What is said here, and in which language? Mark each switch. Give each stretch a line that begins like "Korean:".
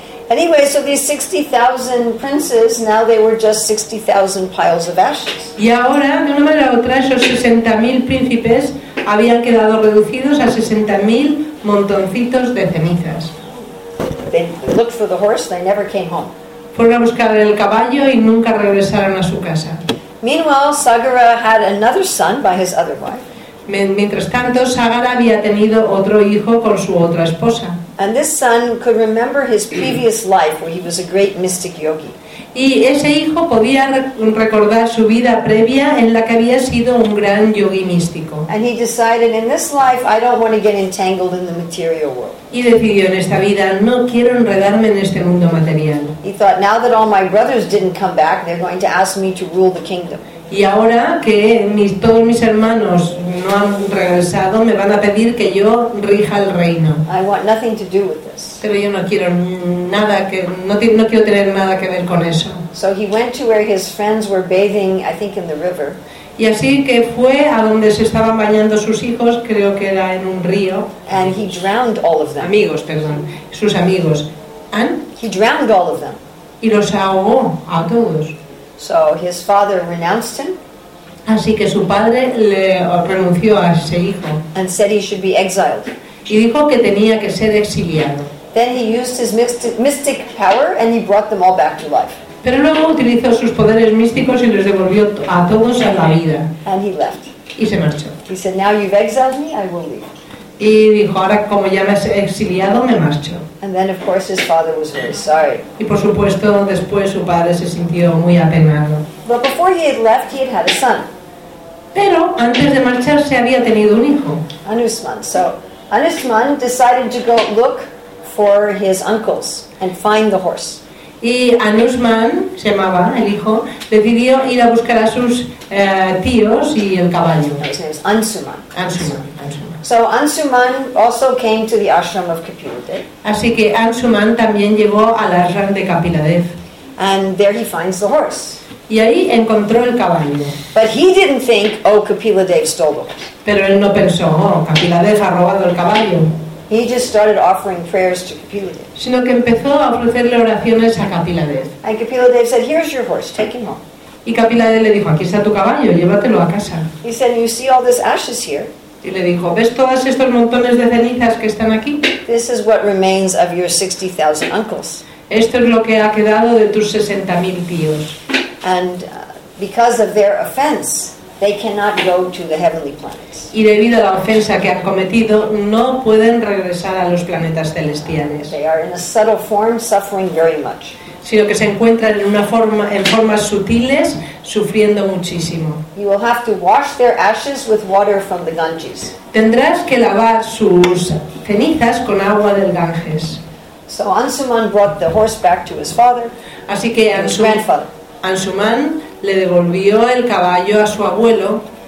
English: Anyway, so these 60,000 princes, now they were just 60,000 piles of ashes.
Spanish: Y ahora, de una manera u otra, esos 60,000 príncipes habían quedado reducidos a 60,000 montoncitos de cenizas.
English: They looked for the horse, they never came home.
Spanish: Fueron a buscar el caballo y nunca regresaron a su casa.
English: Meanwhile, Sagara had another son by his other wife.
Spanish: Mientras tanto, Sagara había tenido otro hijo con su otra esposa.
English: And this son could remember his previous life where he was a great mystic yogi.
Spanish: Y ese hijo podía recordar su vida previa en la que había sido un gran yogi místico.
English: And he decided, in this life I don't want to get entangled in the material world.
Spanish: Y decidió, en esta vida no quiero enredarme en este mundo material.
English: He thought, now that all my brothers didn't come back, they're going to ask me to rule the kingdom.
Spanish: Y ahora que todos mis hermanos no han regresado, me van a pedir que yo rija el reino.
English: I want nothing to do with this.
Spanish: Pero yo no quiero nada que no quiero tener nada que ver con eso.
English: So he went to where his friends were bathing, I think in the river.
Spanish: Y así que fue a donde se estaban bañando sus hijos, creo que era en un río.
English: And he drowned all of them.
Spanish: Amigos, perdón, sus amigos.
English: And he drowned all of them.
Spanish: Y los ahogó a todos.
English: So his father renounced him.
Spanish: Así que su padre le renunció a ese hijo.
English: And said he should be exiled.
Spanish: Y dijo que tenía que ser exiliado.
English: Then he used his mystic power and he brought them all back to life.
Spanish: Pero luego utilizó sus poderes místicos y les devolvió a todos a la vida.
English: And he left.
Spanish: Y se marchó.
English: He said, "Now you've exiled me, I will leave."
Spanish: Y dijo, ahora como ya me has exiliado, me marcho.
English: And then, of course, his father was very sorry.
Spanish: Y por supuesto, después su padre se sintió muy apenado.
English: But before he had left, he had had a son.
Spanish: Pero antes de marcharse había tenido un hijo.
English: Anusman. So Anusman decided to go look for his uncles and find the horse.
Spanish: Y Anusman, se llamaba el hijo, decidió ir a buscar a sus tíos y el caballo.
English: His name is Anusman. Anusman. So Anshuman also came to the ashram of Kapiladev.
Spanish: Así que Anshuman también llegó al ashram de Kapiladev.
English: And there he finds the horse.
Spanish: Y ahí encontró el caballo.
English: But he didn't think, oh, Kapiladev stole the horse.
Spanish: Pero él no pensó, oh, Kapiladev ha robado el caballo.
English: He just started offering prayers to Kapiladev.
Spanish: Sino que empezó a ofrecerle oraciones a Kapiladev.
English: And Kapiladev said, here's your horse, take him home.
Spanish: Y Kapiladev le dijo, aquí está tu caballo, llévatelo a casa.
English: He said, you see all these ashes here?
Spanish: Y le dijo, ¿ves todos estos montones de cenizas que están aquí?
English: This is what remains of your 60,000 uncles.
Spanish: Esto es lo que ha quedado de tus 60,000 tíos.
English: And because of their offense, they cannot go to the heavenly planets.
Spanish: Y debido a la ofensa que han cometido, no pueden regresar a los planetas celestiales.
English: They are in a subtle form, suffering very much.
Spanish: Sino que se encuentran en una forma, en formas sutiles, sufriendo muchísimo.
English: You will have to wash their ashes with water from the Ganges.
Spanish: Tendrás que lavar sus cenizas con agua del Ganges.
English: So Anshuman brought the horse back to his father.
Spanish: Así que Anshuman le devolvió el caballo a su abuelo.